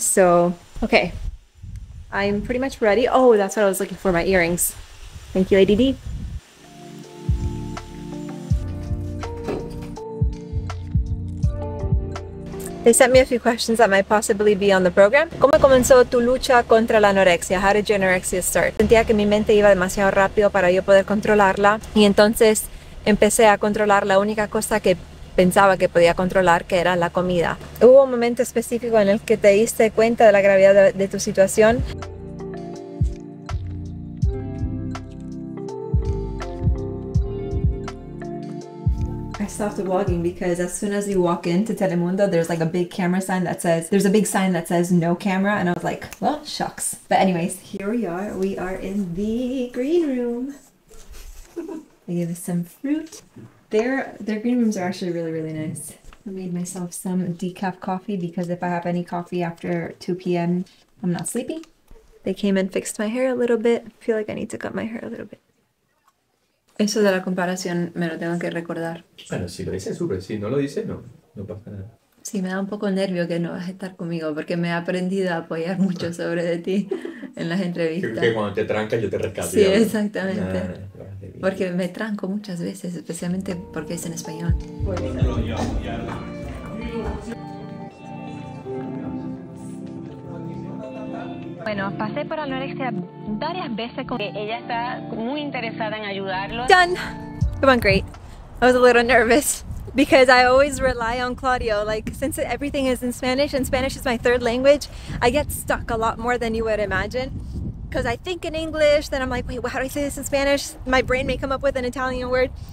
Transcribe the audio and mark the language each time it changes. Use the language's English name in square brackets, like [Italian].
[English] So, okay. I'm pretty much ready. Oh, that's what I was looking for, my earrings. Thank you, ADD. They sent me a few questions that might possibly be on the program. [Spanish] ¿Cómo comenzó tu lucha contra la anorexia? [English] How did your anorexia start? [Spanish] Sentía que mi mente iba demasiado rápido para yo poder controlarla. Y entonces empecé a controlar la única cosa que pensaba que podía controlar, que era la comida. ¿Hubo un momento específico en el que te diste cuenta de la gravedad de tu situación? [English] I stopped vlogging because as soon as you walk into Telemundo, there's like a big camera sign that says, there's a big sign that says no camera. And I was like, well, shucks. But anyways, here we are. We are in the green room. I gave us some fruit. Their green rooms are actually really, really nice. I made myself some decaf coffee because if I have any coffee after 2 p.m., I'm not sleepy. They came and fixed my hair a little bit. I feel like I need to cut my hair a little bit. [Spanish] Eso de la comparación me lo tengo que recordar. Bueno, si lo dice, súper. Si no lo dice, no pasa nada. Sí, me da un poco nervio que no vas a estar conmigo porque me he aprendido a apoyar mucho sobre de ti en las entrevistas. Que cuando te trancas yo te rescato. Sí, exactamente. Nada. Porque me tranco muchas veces, especialmente porque es en español. Bueno, pasé por anorexia varias veces con ella. Está muy interesada en ayudarlo. [English] Done. It went great. I was a little nervous because I always rely on Claudio. Like, since everything is in Spanish and Spanish is my third language, I get stuck a lot more than you would imagine. Because I think in English, then I'm like, wait, well, how do I say this in Spanish? My brain may come up with an Italian word.